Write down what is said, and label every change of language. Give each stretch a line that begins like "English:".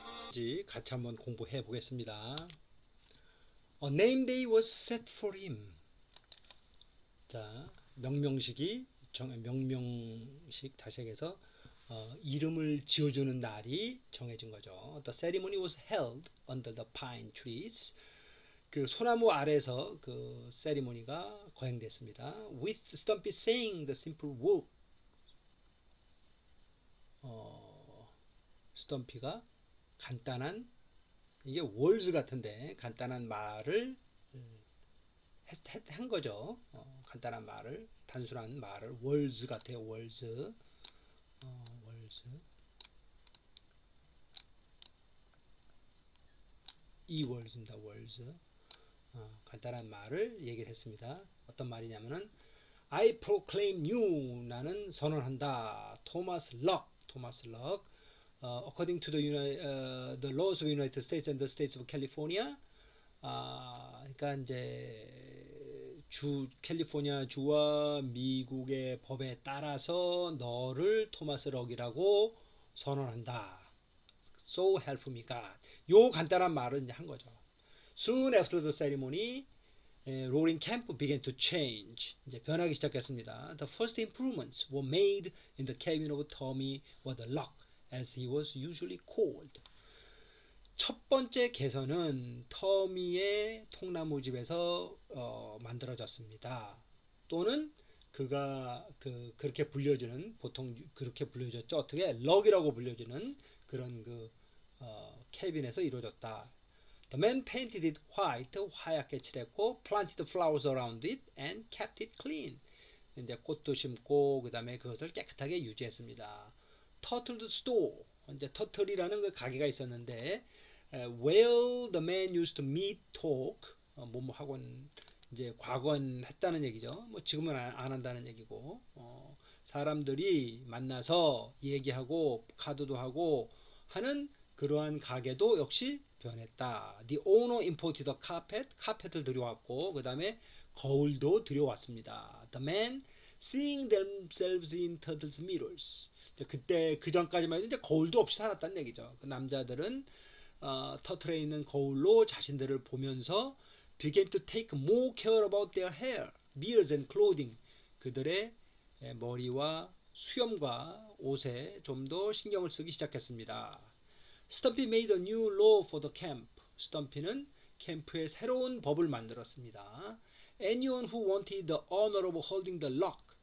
Korean: 이제 같이 한번 공부해 보겠습니다.
English: A name day was set for him.
Korean: 자, 명명식이 명명식 다시 해서 이름을 지어주는 날이 정해진 거죠.
English: The ceremony was held under the pine trees.
Korean: 그 소나무 아래서 그 세리머니가 거행됐습니다.
English: With Stumpy saying the simple word.
Korean: Stumpy가 간단한 이게 words 같은데 간단한 말을 한 거죠. 간단한 말을 단순한 말을 words 같아요. Words. Words. 이 words입니다. Words. 간단한 말을 얘기를 했습니다. 어떤 말이냐면은
English: I proclaim you.
Korean: 나는 선언한다. Thomas Luck. Thomas Luck.
English: According to the laws of the United States and the states of California.
Korean: 그러니까 이제 캘리포니아 주와 미국의 법에 따라서 너를 토마스 럭이라고 선언한다.
English: So help me God.
Korean: 요 간단한 말을 이제 한 거죠.
English: Soon after the ceremony, Roaring Camp began to change.
Korean: 이제 변하기 시작했습니다.
English: The first improvements were made in the cabin of Tommy with the lock, as he was usually called.
Korean: 첫 번째 개선은 터미의 통나무집에서 만들어졌습니다. 또는 그가 그렇게 불려지는 보통 그렇게 불려졌죠. 어떻게 럭이라고 불려지는 그런 그 캐빈에서 이루어졌다.
English: The man painted it white,
Korean: 하얗게 칠했고,
English: planted flowers around it and kept it clean.
Korean: 이제 꽃도 심고, 그 다음에 그것을 깨끗하게 유지했습니다. Turtle store, 이제 터틀이라는 그 가게가 있었는데,
English: where the man used to meet, talk,
Korean: 뭐뭐 하곤, 이제 과거는 했다는 얘기죠. 뭐 지금은 안 한다는 얘기고, 사람들이 만나서 얘기하고, 카드도 하고 하는 그러한 가게도 역시 변했다.
English: The owner imported a carpet.
Korean: 카펫을 들여왔고 그 다음에 거울도 들여왔습니다.
English: The men seeing themselves in turtles mirrors.
Korean: 그때 그 전까지만 해도 이제 거울도 없이 살았다는 얘기죠. 그 남자들은 터틀에 있는 거울로 자신들을 보면서
English: began to take more care about their hair, beards and clothing.
Korean: 그들의 머리와 수염과 옷에 좀 더 신경을 쓰기 시작했습니다.
English: Stumpy made a new law for the camp.
Korean: Stumpy는 캠프에 새로운 법을 만들었습니다.
English: Anyone who wanted the honor of holding the lock.